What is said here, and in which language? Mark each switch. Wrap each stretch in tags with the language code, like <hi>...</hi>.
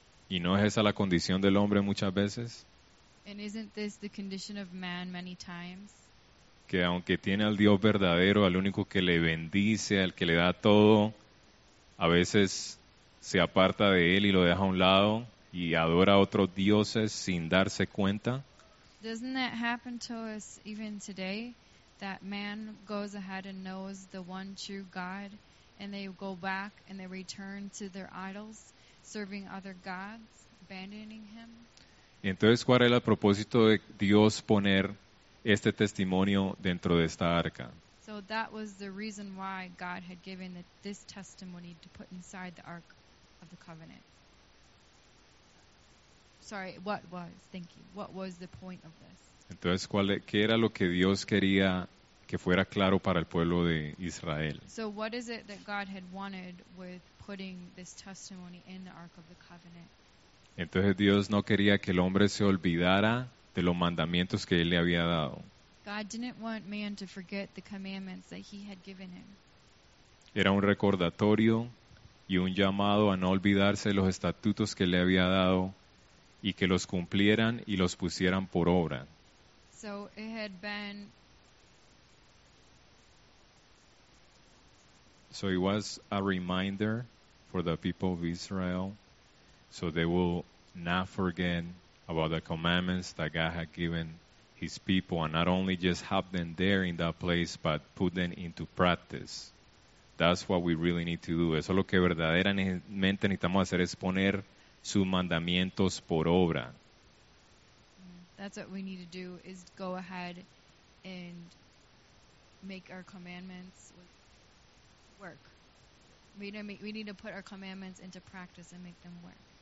<es>¿Y no es esa la condición del hombre muchas veces?</es> <en>And isn't this the condition of man many times?</en> <es>Que aunque tiene al Dios verdadero, al único que le bendice, al que le da todo, a veces se aparta de él y lo deja a un lado y adora a otros dioses sin darse cuenta.</es> <en>Doesn't that happen to us even today, that man goes ahead and knows the one true God and they go back and they return to their idols, serving other gods, abandoning him?</en> <es>Y entonces, ¿cuál era el propósito de Dios poner este testimonio dentro de esta arca?</es> <en>So that was the reason why God had given this testimony to put inside the Ark of the Covenant. Sorry, what was? Thank you. What was the point of this?</en> <es>Entonces, ¿qué era lo que Dios quería que fuera claro para el pueblo de Israel?</es> <en>So what is it that God had wanted with putting this testimony in the Ark of the Covenant?</en> <es>Entonces, Dios no quería que el hombre se olvidara de los mandamientos que él le había dado.</es> <en>God didn't want man to forget the commandments that he had given him.</en> <es>Era un recordatorio y un llamado a no olvidarse de los estatutos que él le había dado y que los cumplieran y los pusieran por obra.</es> <en>So it had been... So it was a reminder for the people of Israel so they will not forget about the commandments that God had given his people, and not only just have them there in that place, but put them into practice. That's what we really need to do.</en> <es>Eso es lo que verdaderamente necesitamos hacer, es poner sus mandamientos por obra.</es> <en>That's what we need to do, is go ahead and make our commandments work. We need to put our commandments into practice and make them work.</en>